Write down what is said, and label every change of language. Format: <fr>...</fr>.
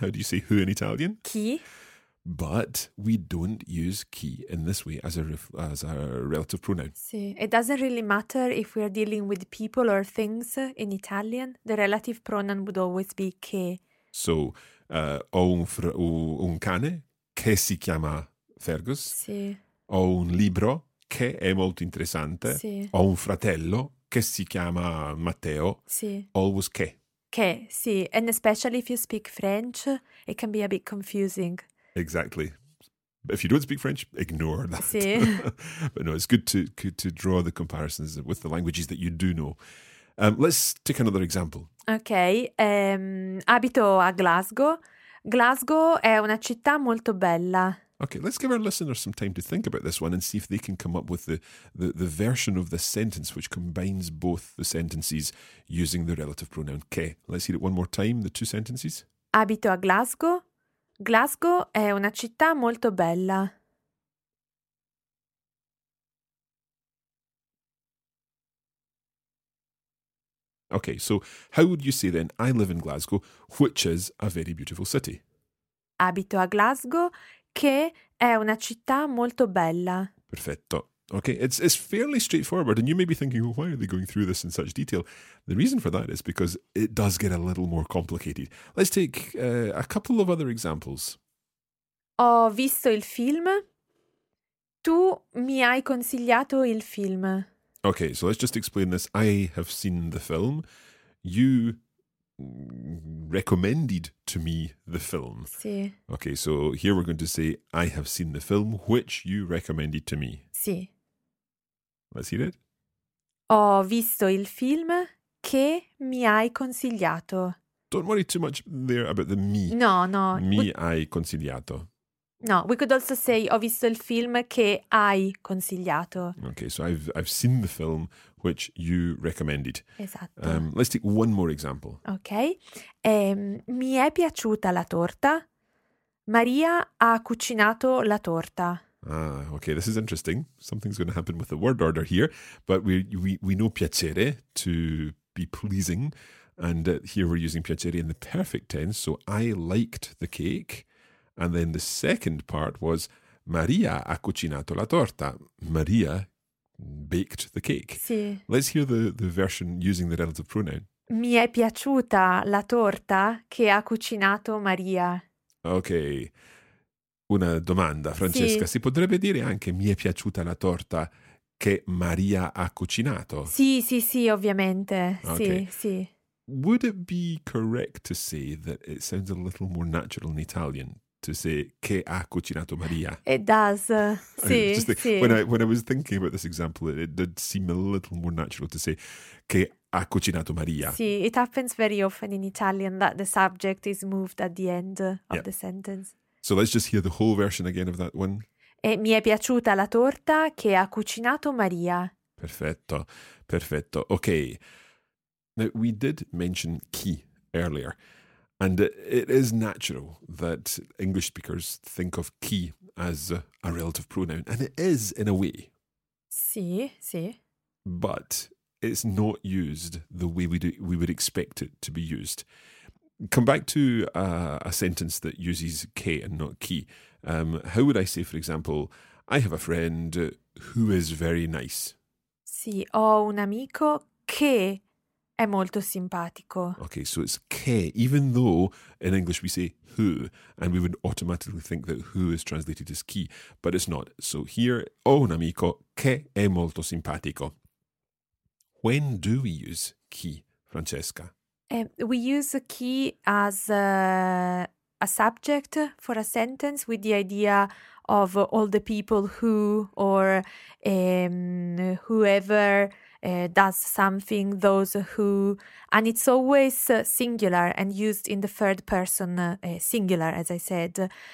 <en>How do you say who in Italian?</en> <it>Chi.</it> <en>But we don't use chi in this way as a relative pronoun.</en> <it>Sì.</it> <en>It doesn't really matter if we are dealing with people or things in Italian. The relative pronoun would always be che.</en> <it>So, ho un cane che si chiama Fergus. Sì. Ho un libro che è molto interessante. Sì. Ho un fratello che si chiama Matteo. Sì.</it> <en>Always che.</en> <it>Che, sì.</it> <en>And especially if you speak French, it can be a bit confusing. Exactly. If you don't speak French, ignore that.</en> <it>Sì.</it> <en>But no, it's good to draw the comparisons with the languages that you do know. Let's take another example. Okay.</en> <it>Abito a Glasgow. Glasgow è una città molto bella.</it> <en>Okay, let's give our listeners some time to think about this one and see if they can come up with the version of the sentence which combines both the sentences using the relative pronoun che. Let's hear it one more time, the two sentences.</en> <it>Abito a Glasgow. Glasgow è una città molto bella.</it> <en>Okay, so how would you say then, I live in Glasgow, which is a very beautiful city?</en> <it>Abito a Glasgow, che è una città molto bella. Perfetto.</it> <en>Okay, it's fairly straightforward, and you may be thinking, well, why are they going through this in such detail? The reason for that is because it does get a little more complicated. Let's take a couple of other examples.</en> <it>Ho visto il film. Tu mi hai consigliato il film.</it> <en>Okay, so let's just explain this. I have seen the film. You recommended to me the film.</en> <it>Sì.</it> <en>Okay, so here we're going to say, I have seen the film, which you recommended to me.</en> <it>Sì.</it> <en>Let's hear it.</en> <it>Ho visto il film che mi hai consigliato.</it> <en>Don't worry too much there about the mi. No, no.</en> <it>Mi hai consigliato.</it> <en>No, we could also say,</en> <it>ho visto il film che hai consigliato.</it> <en>Okay, so I've seen the film which you recommended.</en> <it>Esatto.</it> <en>Let's take one more example.</en> <it>Okay. Mi è piaciuta la torta. Maria ha cucinato la torta.</it> <en>Ah, okay, this is interesting. Something's going to happen with the word order here. But we know piacere, to be pleasing. And here we're using piacere in the perfect tense. So I liked the cake. And then the second part was,</en> <it>Maria ha cucinato la torta.</it> <en>Maria baked the cake.</en> <it>Sì.</it> <en>Let's hear the version using the relative pronoun.</en> <it>Mi è piaciuta la torta che ha cucinato Maria.</it> <en>Okay.</en> <it>Una domanda, Francesca. Sì. Si potrebbe dire anche, mi è piaciuta la torta che Maria ha cucinato? Sì, sì, sì, ovviamente. Okay. Sì, sì.</it> <en>Would it be correct to say that it sounds a little more natural in Italian? To say,</en> <it>che ha cucinato Maria.</it> <en>It does, sì, sì. When I was thinking about this example, it did seem a little more natural to say,</en> <it>che ha cucinato Maria.</it> <en>Sì, it happens very often in Italian that the subject is moved at the end of the sentence. So let's just hear the whole version again of that one.</en> <it>E mi è piaciuta la torta che ha cucinato Maria. Perfetto, perfetto. Okay.</it> <en>Now, we did mention chi earlier. And it is natural that English speakers think of chi as a relative pronoun. And it is, in a way.</en> <it>Sì, sì.</it> <en>But it's not used the way we would expect it to be used. Come back to a sentence that uses che and not chi. How would I say, for example, I have a friend who is very nice?</en> <it>Sì, ho un amico che... è molto simpatico.</it> <en>Okay, so it's che, even though in English we say who, and we would automatically think that who is translated as chi, but it's not.</en> <it>So here, ho un amico che è molto simpatico.</it> <en>When do we use chi, Francesca? We use chi as a subject for a sentence with the idea of all the people who or whoever... does something, those who, and it's always singular and used in the third person singular, as I said.</en>